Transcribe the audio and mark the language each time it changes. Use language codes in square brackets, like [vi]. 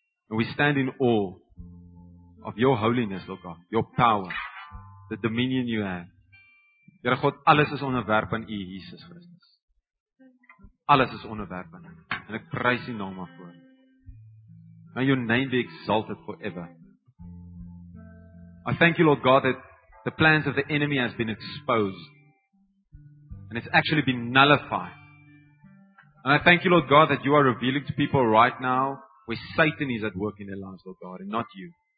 [en] And we stand in awe of your holiness, Lord God, your power, the dominion you have. [af] Here God, alles is onderwerp aan U, Jesus Christus. Alles is onderwerp aan U. En ek prys U naam daarvoor. [en] May your name be exalted forever. I thank you, Lord God, that the plans of the enemy has been exposed. And it's actually been nullified. And I thank you, Lord God, that you are revealing to people right now where Satan is at work in their lives, Lord God, and not you.